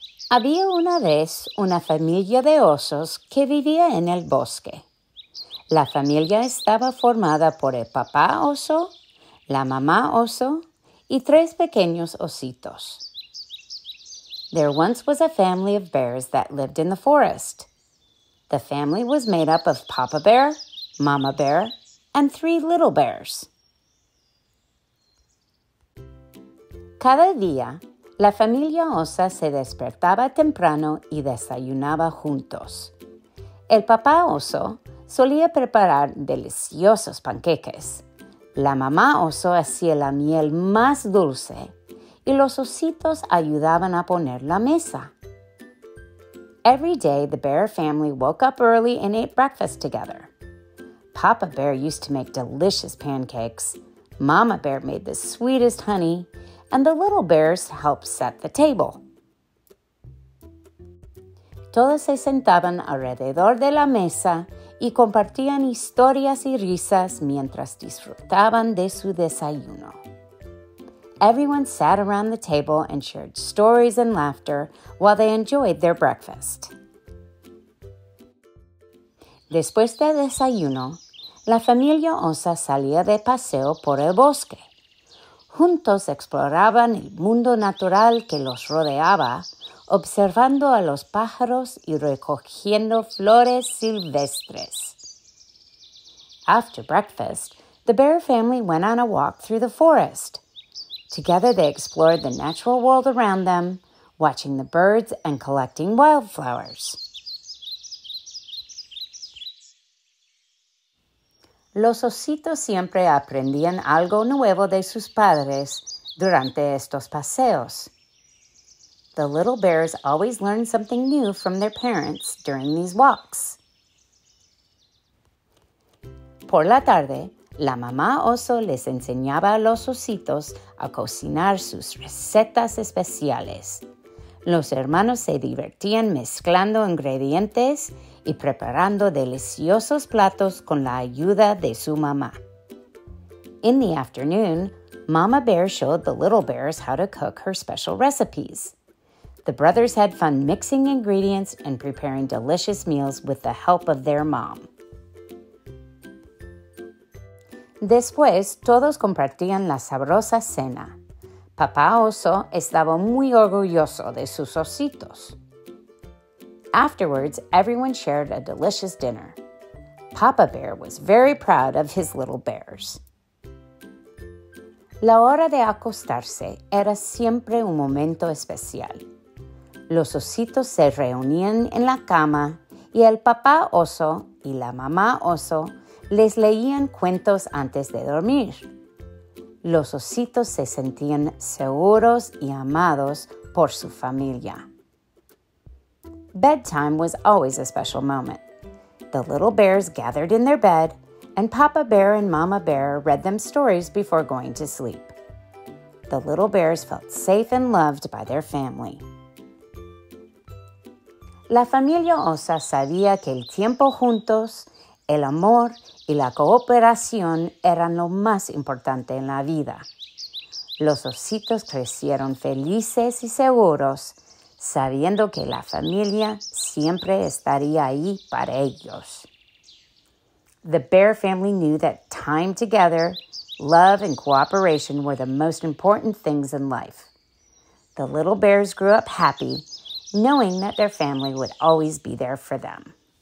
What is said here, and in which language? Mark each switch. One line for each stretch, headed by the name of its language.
Spanish: Había una vez una familia de osos que vivía en el bosque. La familia estaba formada por el papá oso, la mamá oso, y tres pequeños ositos.
English: There once was a family of bears that lived in the forest. The family was made up of Papa Bear, Mama Bear, and three little bears.
Spanish: Cada día, la familia osa se despertaba temprano y desayunaba juntos. El papá oso solía preparar deliciosos panqueques. La mamá oso hacía la miel más dulce y los ositos ayudaban a poner la mesa.
English: Every day, the bear family woke up early and ate breakfast together. Papa Bear used to make delicious pancakes, Mama Bear made the sweetest honey, and the little bears helped set the table.
Spanish: Todos se sentaban alrededor de la mesa y compartían historias y risas mientras disfrutaban de su desayuno.
English: Everyone sat around the table and shared stories and laughter while they enjoyed their breakfast.
Spanish: Después del desayuno, la familia osa salía de paseo por el bosque. Juntos exploraban el mundo natural que los rodeaba, observando a los pájaros y recogiendo flores silvestres.
English: After breakfast, the bear family went on a walk through the forest. Together they explored the natural world around them, watching the birds and collecting wildflowers.
Spanish: Los ositos siempre aprendían algo nuevo de sus padres durante estos paseos.
English: The little bears always learned something new from their parents during these walks.
Spanish: Por la tarde, la mamá oso les enseñaba a los ositos a cocinar sus recetas especiales. Los hermanos se divertían mezclando ingredientes y preparando deliciosos platos con la ayuda de su mamá.
English: In the afternoon, Mama Bear showed the little bears how to cook her special recipes. The brothers had fun mixing ingredients and preparing delicious meals with the help of their mom.
Spanish: Después, todos compartían la sabrosa cena. Papá Oso estaba muy orgulloso de sus ositos.
English: Afterwards, everyone shared a delicious dinner. Papa Bear was very proud of his little bears.
Spanish: La hora de acostarse era siempre un momento especial. Los ositos se reunían en la cama y el papá oso y la mamá oso les leían cuentos antes de dormir. Los ositos se sentían seguros y amados por su familia.
English: Bedtime was always a special moment. The little bears gathered in their bed, and Papa Bear and Mama Bear read them stories before going to sleep. The little bears felt safe and loved by their family.
Spanish: La familia osa sabía que el tiempo juntos, el amor y la cooperación eran lo más importante en la vida. Los ositos crecieron felices y seguros, sabiendo que la familia siempre estaría ahí para ellos.
English: The bear family knew that time together, love and cooperation were the most important things in life. The little bears grew up happy, knowing that their family would always be there for them.